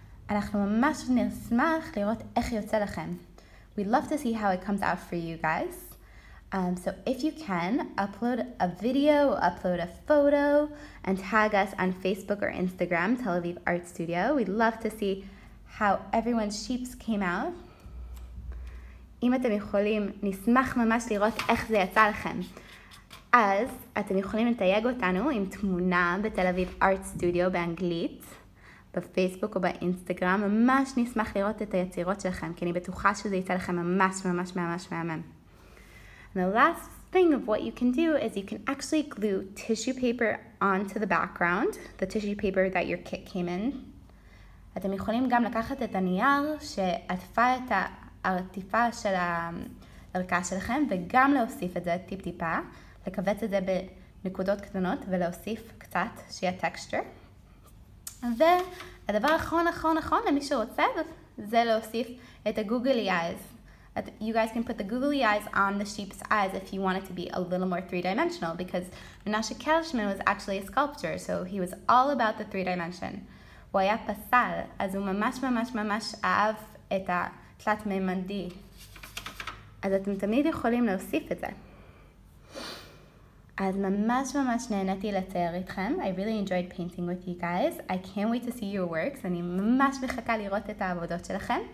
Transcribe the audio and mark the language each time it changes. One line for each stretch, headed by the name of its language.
Hebrew: אנחנו ממש נשמח לראות איך יוצא לכם.
English: We'd love to see how it comes out for you guys. So if you can, upload a video, upload a photo, and tag us on Facebook or Instagram, Tel Aviv Art Studio. We'd love to see how everyone's sheeps came out.
Hebrew: אם אתם יכולים, נשמח ממש לראות איך זה יצא לכם. אז אתם יכולים לתייג אותנו עם תמונה בתל אביב Art Studio באנגלית, בפייסבוק או באינסטגרם. ממש נשמח לראות את היצירות שלכם, כי אני בטוחה שזה יצא לכם ממש ממש ממש מהמם.
English: And the last thing of what you can do is you can actually glue tissue paper onto the background, the tissue paper that your kit came in.
Hebrew: אתם יכולים גם לקחת את הנייר שעטפה את העטיפה של הערכה שלכם וגם להוסיף את זה טיפ טיפה, לכווץ את זה בנקודות קטנות ולהוסיף קצת שיהיה טקסטר. והדבר האחרון, אחרון, אחרון למי שרוצה זה להוסיף את הגוגלי אייז.
English: You guys can put the googly eyes on the sheep's eyes if you want it to be a little more three-dimensional, because Menashe Kadishman was actually a sculptor, so he was all about the three-dimension.
Hebrew: הוא היה פסל, אז הוא ממש ממש ממש אהב את התלת מימדי. אז אתם תמיד יכולים להוסיף את זה. אז ממש ממש נהניתי לצייר איתכם.
English: I really enjoyed painting with you guys. I can't wait to see your works.
Hebrew: אני ממש מחכה לראות את העבודות שלכם.